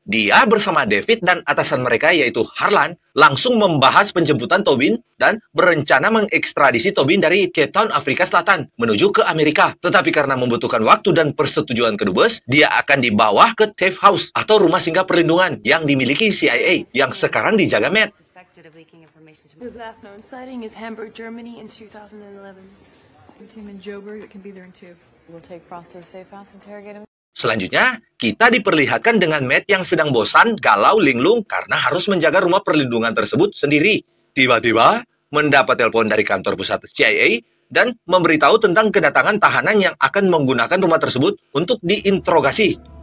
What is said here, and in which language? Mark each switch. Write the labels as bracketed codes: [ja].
[id] Dia bersama David dan atasan mereka yaitu Harlan langsung membahas penjemputan Tobin dan berencana mengekstradisi Tobin dari Cape Town, Afrika Selatan menuju ke Amerika. Tetapi karena membutuhkan waktu dan persetujuan kedubes, dia akan dibawa ke safe house atau rumah singgah perlindungan yang dimiliki CIA yang sekarang dijaga Matt. [en] His last known sighting is Hamburg, Germany in 2011. Tim and Joburg, it can be there in two. We'll take Frost to the safe house, interrogate him. [id] Selanjutnya, kita diperlihatkan dengan Matt yang sedang bosan, galau, linglung karena harus menjaga rumah perlindungan tersebut sendiri. Tiba-tiba, mendapat telepon dari kantor pusat CIA dan memberitahu tentang kedatangan tahanan yang akan menggunakan rumah tersebut untuk diinterogasi.